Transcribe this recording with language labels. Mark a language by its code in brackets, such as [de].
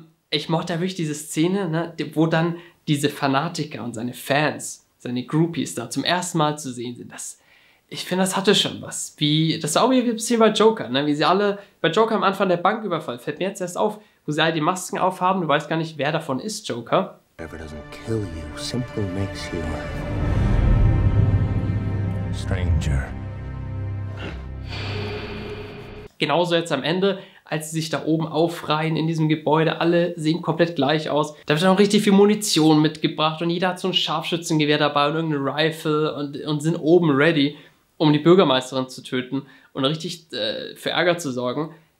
[de] Ich mochte wirklich diese Szene, ne, wo dann diese Fanatiker und seine Fans, seine Groupies da zum ersten Mal zu sehen sind. Ich finde, das hatte schon was. Das war auch wie ein bisschen bei Joker, ne, wie sie alle bei Joker am Anfang der Banküberfall, fällt mir jetzt erst auf, wo sie alle die Masken aufhaben, du weißt gar nicht, wer davon ist, Joker. [en] Whatever doesn't kill you simply makes you a stranger. [de] Genauso jetzt am Ende, als sie sich da oben aufreihen in diesem Gebäude, alle sehen komplett gleich aus. Da wird dann auch richtig viel Munition mitgebracht und jeder hat so ein Scharfschützengewehr dabei und irgendeine Rifle und sind oben ready, um die Bürgermeisterin zu töten und richtig für Ärger zu sorgen.